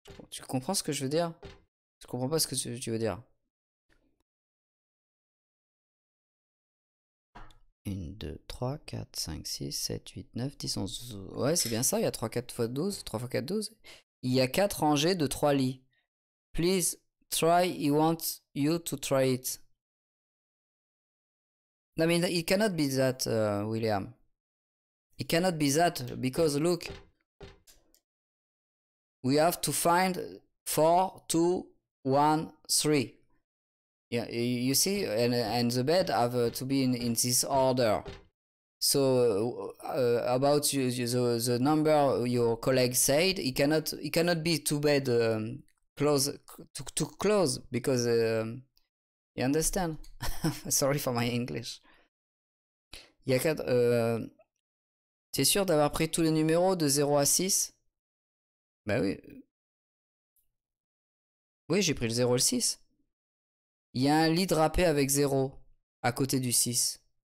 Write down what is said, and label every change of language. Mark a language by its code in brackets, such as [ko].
[fr] Tu comprends ce que je veux dire? Je comprends pas ce que tu veux dire. 1, 2, 3, 4, 5, 6, 7, 8, 9, 10, 11, 12. Ouais, c'est bien ça, il y a 3, 4 fois 12. 3 fois 4, 12. Il y a 4 rangées de 3 lits. [en] Please try, he wants you to try it. I mean, it cannot be that, William. It cannot be that, because look. We have to find 4, 2, 1, 3. Yeah, you see, and the bed have to be in this order. So about the number your colleague said, it cannot be two bed close because you understand. Sorry for my English. [fr] T'es sûr d'avoir pris tous les numéros de 0 à 6? Ben oui. Oui, j'ai pris le 0 et le 6. Il y a un lit drapé avec 0 à côté du 6.